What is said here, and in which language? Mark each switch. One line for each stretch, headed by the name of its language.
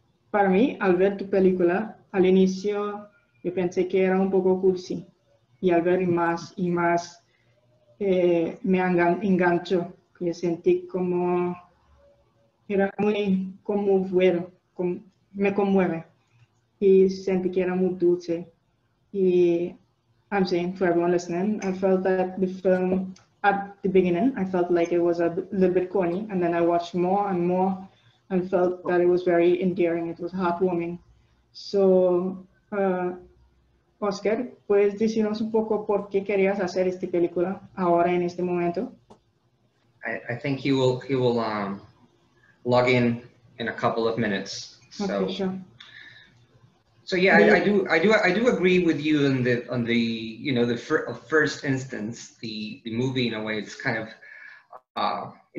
Spanish: Para mí, al ver tu película, al inicio yo pensé que era un poco cursi y al ver más y más me enganchó. Me sentí como era muy conmovedor, me conmueve y sentí que era muy dulce.
English: Y I'm saying for everyone listening, I felt that the film at the beginning, I felt like it was a little bit corny, and then I watched more and more and felt that it was very endearing, it was heartwarming.
Spanish: So, Oscar, ¿puedes decirnos un poco por qué querías hacer esta película ahora en este momento?
English: I think he will log in a couple of minutes. So. Okay, sure. So yeah, I do agree with you on the you know the first instance the movie in a way it's kind of